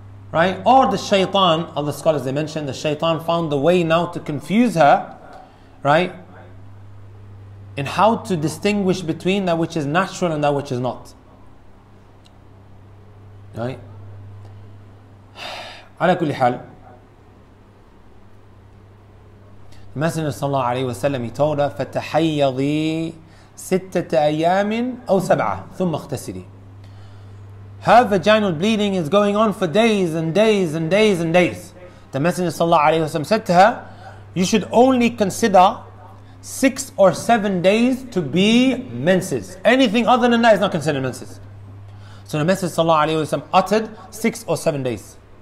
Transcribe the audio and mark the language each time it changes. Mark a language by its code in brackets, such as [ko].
[en] Right? Or the shaytan, other scholars they mentioned, the shaytan found a way now to confuse her, right? In how to distinguish between that which is natural and that which is not. Right? [ar] على كل حال, [en] the Messenger [ar] صلى الله عليه وسلم, [en] he told her, [ar] فتحيضي ستة أيام أو سبعة ثم اغتسلي. [en] Her vaginal bleeding is going on for days and days and days and days. The Messenger sallallahu alayhi wa sallam said to her, you should only consider 6 or 7 days to be menses. Anything other than that is not considered menses. So the Messenger sallallahu alayhi wa sallam uttered 6 or 7 days.